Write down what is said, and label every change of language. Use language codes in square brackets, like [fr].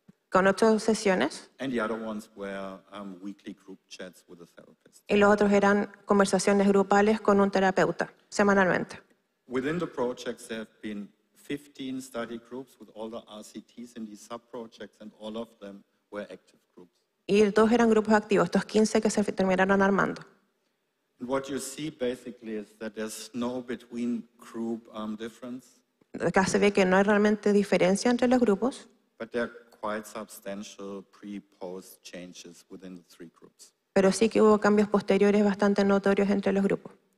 [es] Con 8 sesiones. [en] And the other ones were weekly group chats with a therapist. [es] Y los otros eran conversaciones grupales con un terapeuta semanalmente. [en] Within the projects, there have been 15 study groups with all the RCTs in these sub-projects, and all of them were active groups. [es] Y todos eran grupos activos. Estos 15 que se terminaron armando. [en] And what you see basically is that there's no between group difference. [es] Acá se ve que no hay realmente diferencia entre los grupos. [en] But there are quite substantial pre-post changes within the 3 groups. [es] Pero sí que hubo cambios posteriores bastante notorios entre los grupos.